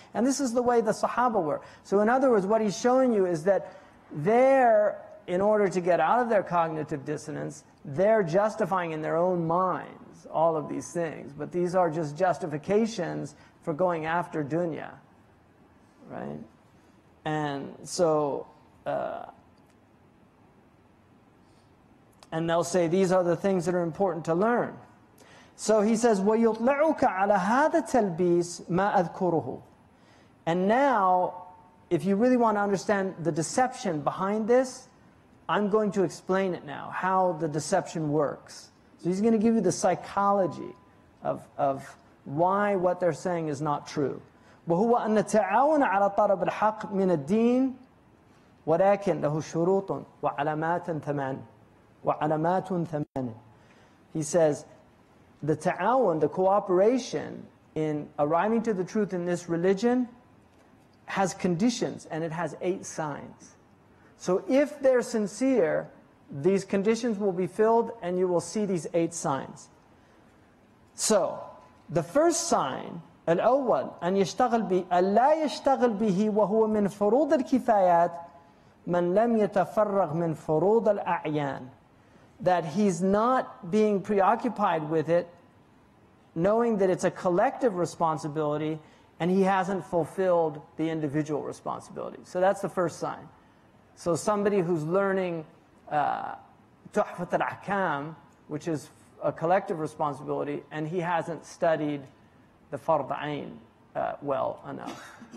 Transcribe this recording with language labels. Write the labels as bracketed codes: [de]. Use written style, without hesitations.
[en] And this is the way the Sahaba were. So in other words, what he's showing you is that they're, in order to get out of their cognitive dissonance, they're justifying in their own minds all of these things. But these are just justifications for going after dunya, right? And so, and they'll say, these are the things that are important to learn. So he says, [ar] وَيُطْلِعُكَ عَلَى هَذَا التَّلْبِيسِ مَا أَذْكُرُهُ. [en] And now, if you really want to understand the deception behind this, I'm going to explain it now, how the deception works. So he's going to give you the psychology of why what they're saying is not true. [ar] وَهُوَ أَنَّ تَعَاوَنَ عَلَى طَلَبِ الْحَقِّ مِنَ الدِّينِ وَلَكِنْ لَهُ شُرُوطٌ وَعَلَمَاتٌ ثَمَانٌ وَعَلَمَاتٌ ثَمَانٌ. [en] He says, the ta'awun, the cooperation in arriving to the truth in this religion, has conditions, and it has 8 signs. So if they're sincere, these conditions will be filled and you will see these 8 signs. So, the first sign, [ar] الأول, أن يشتغل به, ألا يشتغل به وهو من فروض الكفايات من لم يتفرغ من فروض الأعيان. [en] That he's not being preoccupied with it, knowing that it's a collective responsibility and he hasn't fulfilled the individual responsibility. So that's the first sign. So somebody who's learning Tuhfat al-Ahkam, which is a collective responsibility, and he hasn't studied the Fard Ain well enough.